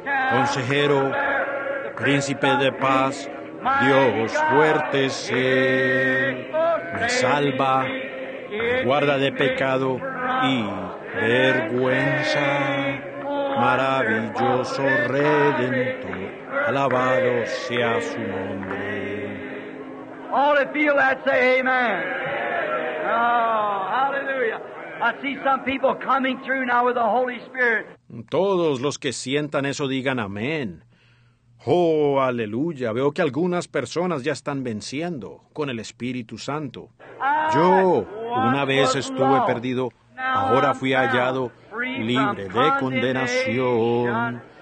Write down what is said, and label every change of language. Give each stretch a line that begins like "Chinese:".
Spanish: Consejero, príncipe de paz, Dios fuerte es Él. Me salva, guarda de pecado y vergüenza. Maravilloso Redentor, alabado sea su nombre.
English: All that feel that, say amen. Oh, hallelujah. I see some people coming through now with the Holy Spirit.
Spanish: Todos los que sientan eso digan amén. Oh, aleluya. Veo que algunas personas ya están venciendo con el Espíritu Santo. Yo, una vez estuve perdido, ahora fui hallado libre de condenación.